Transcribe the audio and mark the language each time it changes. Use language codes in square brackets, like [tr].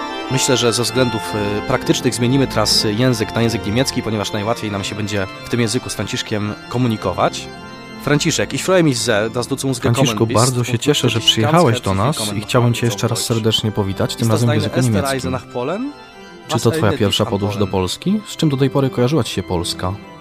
[pl] Myślę, że ze względów praktycznych zmienimy teraz język na język niemiecki, ponieważ najłatwiej nam się będzie w tym języku z Franciszkiem komunikować. [de] Franciszek, ich freue mich sehr, dass du zu uns gekommen bist. [pl] Franciszku, bardzo się cieszę, że przyjechałeś do nas i chciałem Cię jeszcze raz serdecznie powitać, tym razem w języku niemieckim. Czy to Twoja pierwsza podróż do Polski? Z czym do tej pory kojarzyła Ci się Polska?